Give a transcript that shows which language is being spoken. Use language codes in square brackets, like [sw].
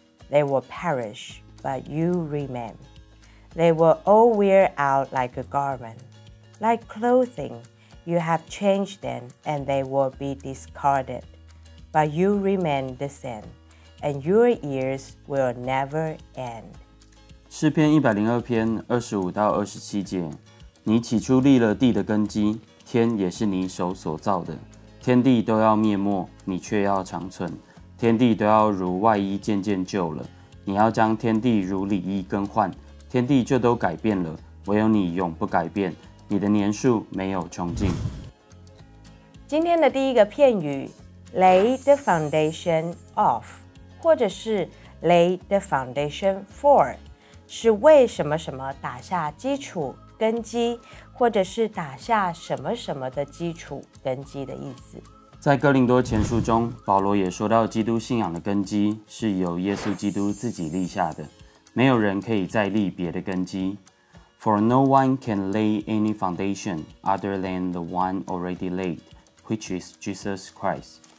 [en] They will perish, but you remain. They will all wear out like a garment. Like clothing, you have changed them, and they will be discarded. But you remain the same, and your years will never end. [zh] 诗篇102篇25到27节，你起初立了地的根基，天也是你手所造的。天地都要灭没，你却要长存。天地都要如外衣渐渐旧了，你要将天地如里衣更换。天地就都改变了，唯有你永不改变，你的年数没有穷尽。今天的第一个片语 [en] lay the foundation of， [zh] 或者是 [en] lay the foundation for， [zh] 是为什么什么打下基础根基，或者是打下什么什么的基础根基的意思。在哥林多前书中，保罗也说到基督信仰的根基是由耶稣基督自己立下的，没有人可以再立别的根基。 [en] For no one can lay any foundation other than the one already laid, which is Jesus Christ.